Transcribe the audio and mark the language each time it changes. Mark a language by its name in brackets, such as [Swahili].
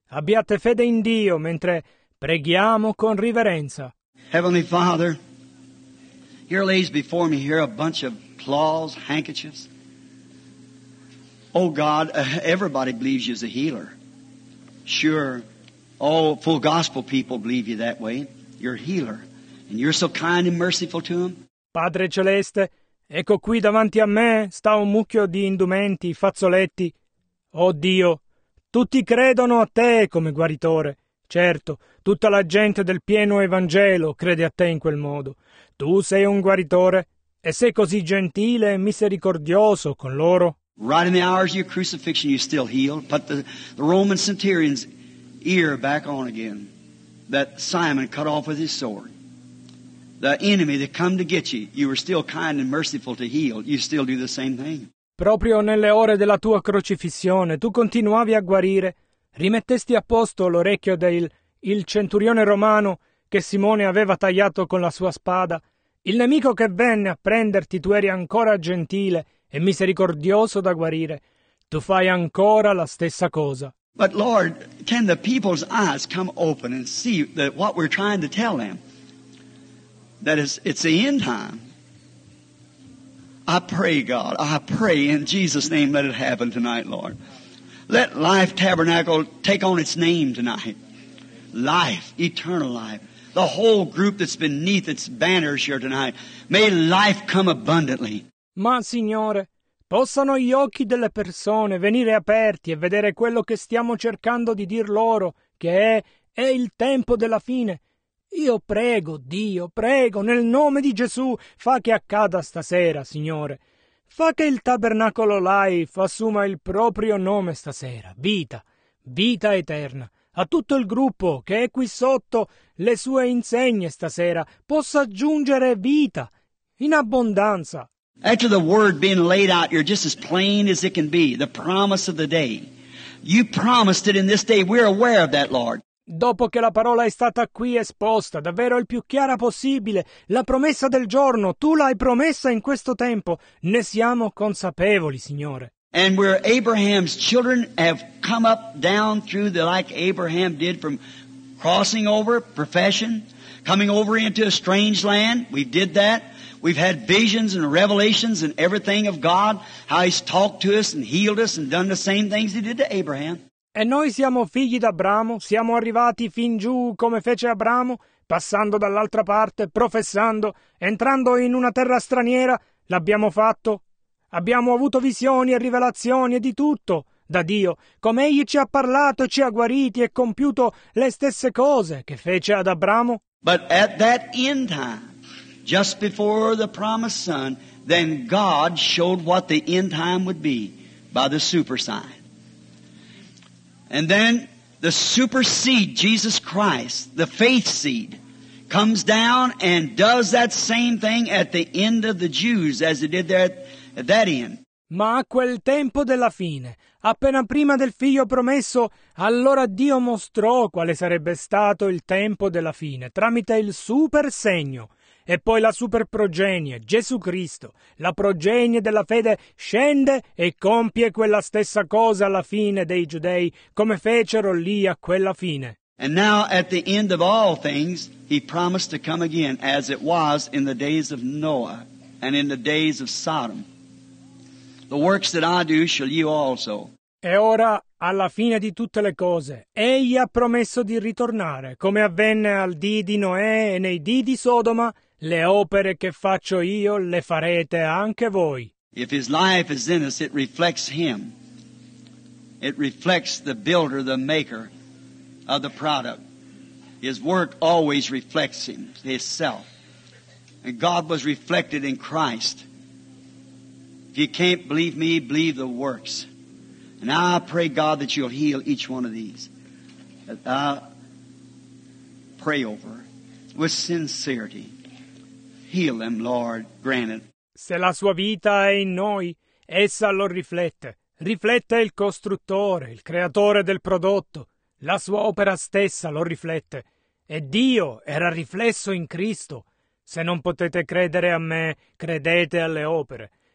[Italian] Abbiate fede in Dio mentre preghiamo con riverenza. [English] Heavenly Father, here lays before me here a bunch of cloths, handkerchiefs. Oh God, everybody believes you as a healer. Sure. All full gospel people believe you that way. You're a healer. And you're so kind and merciful to them. [Italian] Padre Celeste, ecco qui davanti a me sta un mucchio di indumenti, fazzoletti. Oh Dio, tutti credono a te come guaritore. Certo, tutta la gente del pieno Evangelo crede a te in quel modo. Tu sei un guaritore e sei così gentile e misericordioso con loro. [English] Right in the hours of your crucifixion you still heal, but the Roman centurions... ear back on again, that Simon cut off with his sword. The enemy that come to get you, you were still kind and merciful to heal. You still do the same thing. [Italian] Proprio nelle ore della tua crocifissione, tu continuavi a guarire. Rimettesti a posto l'orecchio del centurione romano che Simone aveva tagliato con la sua spada. Il nemico che venne a prenderti, tu eri ancora gentile e misericordioso da guarire. Tu fai ancora la stessa cosa. [English] But Lord, can the people's eyes come open and see that what we're trying to tell them, that it's the end time? I pray, God, I pray in Jesus' name let it happen tonight, Lord. Let Life Tabernacle take on its name tonight. Life, eternal life. The whole group that's beneath its banners here tonight, may life come abundantly. [Italian] Ma, Signore, possano gli occhi delle persone venire aperti e vedere quello che stiamo cercando di dir loro, che è il tempo della fine. Io prego, Dio, prego, nel nome di Gesù, fa che accada stasera, Signore. Fa che il Tabernacolo Life assuma il proprio nome stasera, vita, vita eterna. A tutto il gruppo che è qui sotto le sue insegne stasera, possa aggiungere vita in abbondanza. [English] After the word being laid out, you're just as plain as it can be. The promise of the day. You promised it in this day. We're aware of that, Lord. [Italian] Dopo che la parola è stata qui esposta, davvero il più chiara possibile, la promessa del giorno, tu l'hai promessa in questo tempo. Ne siamo consapevoli, Signore. [English] And where Abraham's children have come up down through the, like Abraham did from crossing over, profession, coming over into a strange land. We did that. We've had visions and revelations and everything of God, how He's talked to us and healed us and done the same things He did to Abraham. [Italian] E noi siamo figli d'Abramo, siamo arrivati fin giù come fece Abramo, passando dall'altra parte, professando, entrando in una terra straniera, l'abbiamo fatto. Abbiamo avuto visioni e rivelazioni e di tutto da Dio, come Egli ci ha parlato e ci ha guariti e compiuto le stesse cose che fece ad Abramo. [English] But at that end time, just before the promised son, then God showed what the end time would be by the super sign. And then the super seed, Jesus Christ, the faith seed, comes down and does that same thing at the end of the Jews as it did there at that end. [Italian] Ma a quel tempo della fine, appena prima del figlio promesso, allora Dio mostrò quale sarebbe stato il tempo della fine, tramite il super segno. E poi la super progenie, Gesù Cristo, la progenie della fede, scende e compie quella stessa cosa alla fine dei giudei, come fecero lì a quella fine. [English] And now at the end of all things, he promised to come again, as it was in the days of Noah and in the days of Sodom. The works that I do shall you also. [Italian] E ora, alla fine di tutte le cose, egli ha promesso di ritornare, come avvenne al dì di Noè e nei dì di Sodoma, le opere che faccio io le farete anche voi. [English] If his life is in us, it reflects him. It reflects the builder, the maker of the product. His work always reflects him, his self. And God was reflected in Christ. If you can't believe me, believe the works. And I pray, God, that you'll heal each one of these. I pray over with sincerity. Heal them, Lord, grant it. [Italian] Se la sua vita è in noi, essa lo riflette. Riflette il costruttore, il creatore del prodotto. La sua opera stessa lo riflette. E Dio era riflesso in Cristo. Se non potete credere a me, credete alle opere.